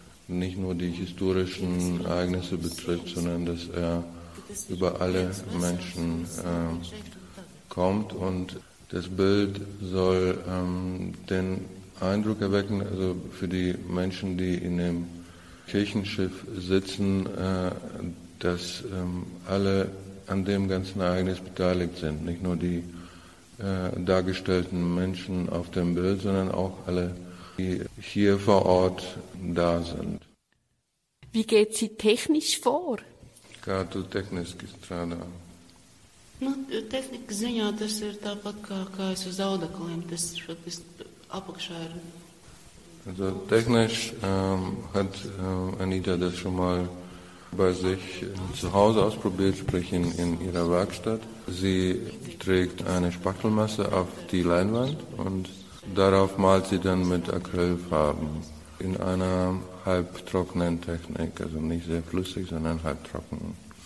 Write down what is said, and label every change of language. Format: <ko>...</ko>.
<de>nicht nur die historischen Ereignisse betritt, sondern dass er über alle Menschen kommt, und das Bild soll den Eindruck erwecken, also für die Menschen, die in dem Kirchenschiff sitzen, dass alle an dem ganzen Ereignis beteiligt sind. Nicht nur die dargestellten Menschen auf dem Bild, sondern auch alle, die hier vor Ort da sind. Wie geht sie technisch vor? Kato technisch gestrada.</de> <lv>Nu, tehnika ziņā tas ir tāpat kā es uz audekliem, tas apakšā ir.</lv> <de>Also technisch hat Anita das schon mal bei sich zu Hause ausprobiert, sprich in ihrer Werkstatt. Sie trägt eine Spachtelmasse auf die Leinwand und darauf malt sie dann mit Acrylfarben in einer halbtrockenen Technik, also nicht sehr flüssig, sondern halbtrocken.</de>